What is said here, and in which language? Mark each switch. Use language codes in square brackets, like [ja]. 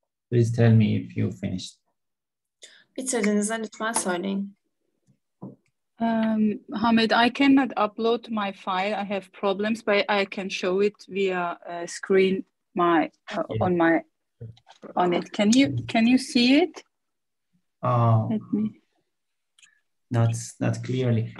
[en] Please tell me if you finished. [tr] Bitirdiğinizde lütfen söyleyin. [en] Hamid, I cannot upload my file. I have problems, but I can show it via screen my yeah. on my on it. Can you see it? Let me. Not clearly.